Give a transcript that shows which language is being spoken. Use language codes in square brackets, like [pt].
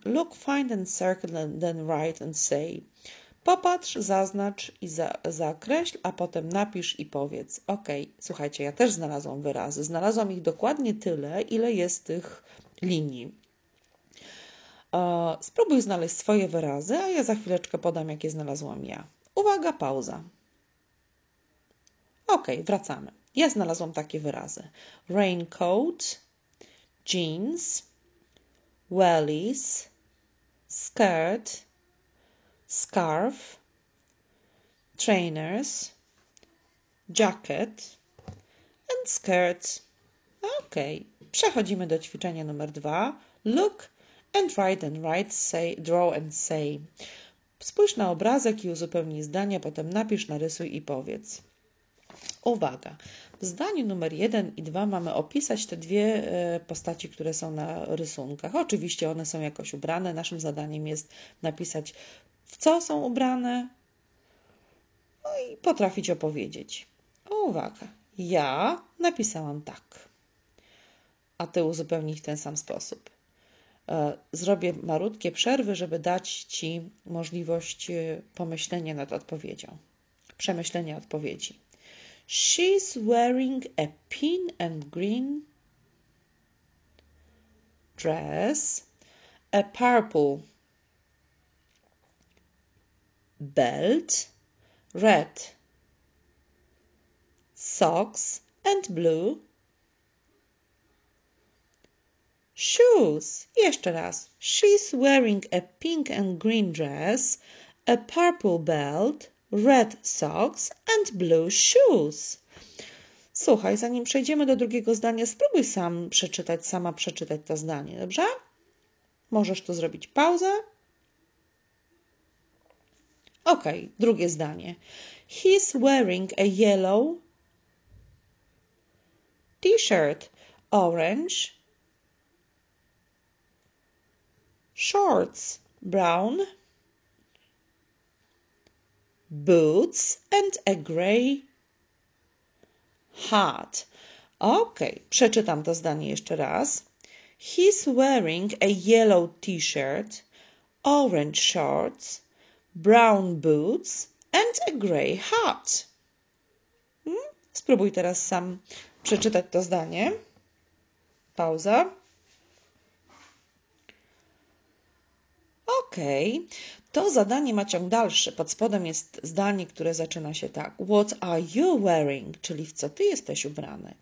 [en] Look, find and circle and then write and say. [pl] Popatrz, zaznacz i zakreśl, a potem napisz i powiedz. Ok, słuchajcie, ja też znalazłam wyrazy. Znalazłam ich dokładnie tyle, ile jest tych linii. Spróbuj znaleźć swoje wyrazy, a ja za chwileczkę podam, jakie znalazłam ja. Uwaga, pauza. Ok, wracamy. Ja znalazłam takie wyrazy. [en] Raincoat, jeans, wellies, skirt, scarf, trainers, jacket and skirt. [pl] Ok, przechodzimy do ćwiczenia numer 2. [en] Look and write, say, draw and say. [pl] Spójrz na obrazek i uzupełnij zdania, potem napisz, narysuj i powiedz. Uwaga! W zdaniu numer 1 i 2 mamy opisać te dwie postaci, które są na rysunkach. Oczywiście one są jakoś ubrane. Naszym zadaniem jest napisać, w co są ubrane, no i potrafić opowiedzieć. Uwaga! Ja napisałam tak, a ty uzupełnij w ten sam sposób. Zrobię malutkie przerwy, żeby dać ci możliwość pomyślenia nad odpowiedzią, przemyślenia odpowiedzi. [en] She's wearing a pink and green dress, a purple belt, red socks and blue shoes. [pl] Jeszcze raz. [en] She's wearing a pink and green dress, a purple belt, red socks and blue shoes. [pl] Słuchaj, zanim przejdziemy do drugiego zdania, spróbuj sama przeczytać to zdanie, dobrze? Możesz tu zrobić pauzę. Ok, drugie zdanie. [en] He's wearing a yellow t-shirt, orange shorts, brown boots and a gray hat. [pl] Ok, przeczytam to zdanie jeszcze raz. [en] He's wearing a yellow t-shirt, orange shorts, brown boots and a gray hat. [pl] Spróbuj teraz sam przeczytać to zdanie. Pauza. Ok. To zadanie ma ciąg dalszy. Pod spodem jest zdanie, które zaczyna się tak. [en] What are you wearing? [pl] Czyli w co ty jesteś ubrany?